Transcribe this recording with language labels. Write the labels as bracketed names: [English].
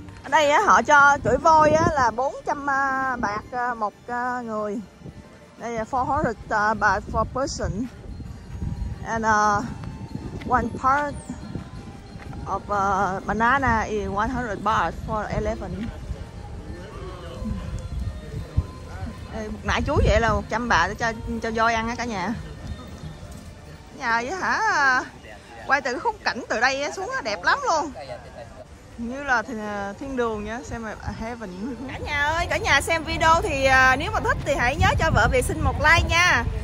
[Vietnamese] Đây họ cho chuỗi voi là 400 bạc một người. Đây là 400 bạc [English] for person. And one part of banana is 100 bạc for elephant. [Vietnamese] Nãy chú vậy là 100 bạc cho voi ăn á cả nhà. Nhà vậy hả? Quay từ khung cảnh từ đây xuống đẹp lắm luôn. Như là thiên đường nha, xem là heaven. Cả nhà ơi, cả nhà xem video thì nếu mà thích thì hãy nhớ cho vợ Việt xin một like nha.